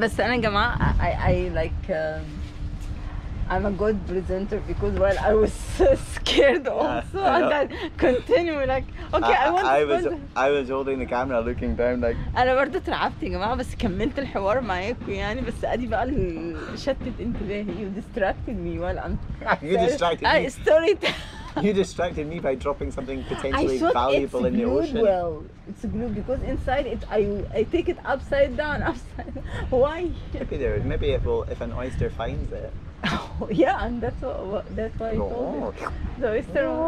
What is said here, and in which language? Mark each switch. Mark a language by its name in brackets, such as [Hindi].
[English] But I'm a I'm a good presenter because while I was so scared also and I continue like okay I want I was to... I was holding the camera looking down like [Arabic] أنا برضه ترعبت يا جماعة بس كملت الحوار معاكم يعني بس أدي بقى اللي شتت انتباهي [English] you distracted me while I'm you distracted me story you distracted me by dropping something potentially valuable in the ocean. I thought it's glued well. It's glued because inside it, I take it upside down, upside down. Why? Okay, there. Maybe it will if an oyster finds it. Oh, yeah, and that's why I told you. The oyster.